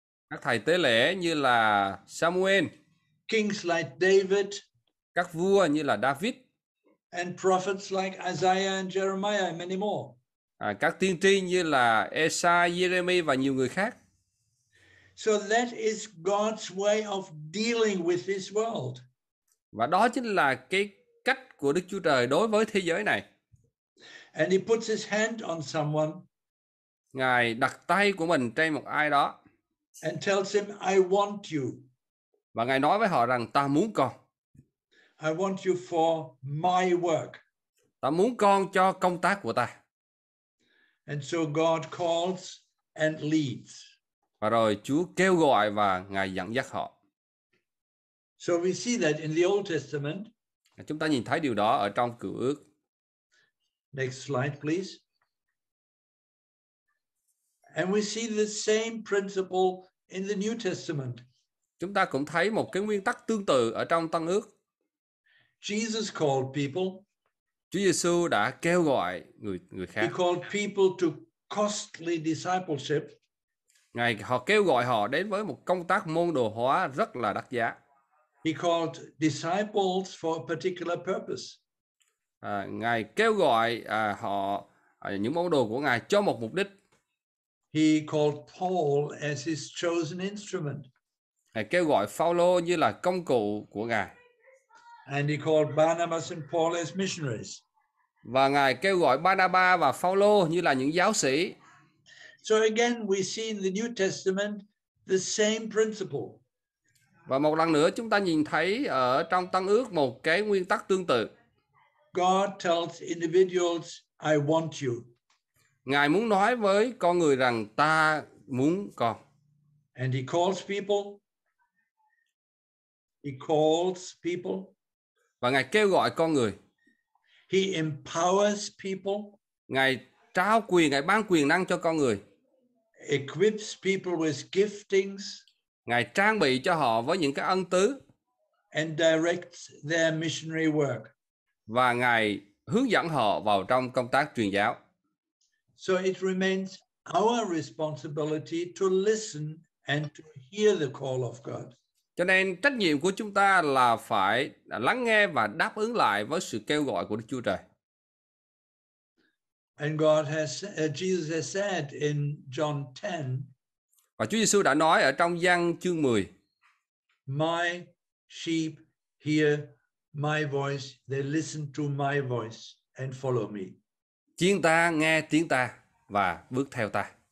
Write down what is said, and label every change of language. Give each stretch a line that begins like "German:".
Vietnamese: Các thầy tế lễ như là Samuel.
English: Kings like David.
Vietnamese: Các vua như là David.
English: And prophets like Isaiah and Jeremiah and many more.
Vietnamese: Các tiên tri như là Esai, Jeremy và nhiều người khác.
English: So that is God's way of dealing with this world.
Vietnamese: Và đó chính là cái cách của Đức Chúa Trời đối với thế giới này.
English: And he puts his hand on someone.
Vietnamese: Ngài đặt tay của mình trên một ai đó.
English: And tells him, I want you.
Vietnamese: Và Ngài nói với họ rằng ta muốn con.
English: I want you for my work.
Vietnamese: Ta muốn con cho công tác của ta.
English: And so God calls and leads.
Vietnamese: Và rồi Chúa kêu gọi và Ngài dẫn dắt họ.
English: So we see that in the Old Testament.
Vietnamese: Chúng ta nhìn thấy điều đó ở trong Cựu Ước.
English: Next slide, please. And we see the same principle in the New Testament.
Vietnamese: Chúng ta cũng thấy một cái nguyên tắc tương tự ở trong Tân Ước.
English: Jesus called people.
Vietnamese: Chúa Giêsu đã kêu gọi người khác.
English: He called people to costly discipleship.
Vietnamese: Ngài họ kêu gọi họ đến với một công tác môn đồ hóa rất là đắt giá.
English: He called disciples for a particular purpose.
Vietnamese: Ngài kêu gọi họ những môn đồ của Ngài cho một mục đích.
English: He called Paul as his chosen instrument.
Vietnamese: Ngài kêu gọi Phao-lô như là công cụ của Ngài.
English: And he called Barnabas and Paul as missionaries.
Vietnamese: Và Ngài kêu gọi Barnabas và Phao-lô như là những giáo sĩ.
English: So again, we see in the New Testament the same principle.
Vietnamese: Và một lần nữa chúng ta nhìn thấy ở trong Tân Ước một cái nguyên tắc tương tự.
English: God tells individuals, I want you.
Vietnamese: Ngài muốn nói với con người rằng ta muốn con.
English: And he calls people. He calls people.
Vietnamese: Và Ngài kêu gọi con người.
English: He empowers people.
Vietnamese: Ngài trao quyền, Ngài ban quyền năng cho con người.
English: equips people with giftings.
Vietnamese: Ngài trang bị cho họ với những cái ân tứ.
English: And directs their missionary work.
Vietnamese: Và Ngài hướng dẫn họ vào trong công tác truyền giáo.
English: So it remains our responsibility to listen and to hear the call of God.
Vietnamese: Cho nên trách nhiệm của chúng ta là phải lắng nghe và đáp ứng lại với sự kêu gọi của Đức Chúa Trời.
English: And God has, Jesus has said in John 10.
Vietnamese: Và Chúa Giêsu đã nói ở trong Giăng chương 10.
English: My sheep hear my voice, they listen to my voice and follow me.
Vietnamese: Chiên ta nghe tiếng ta và bước theo ta.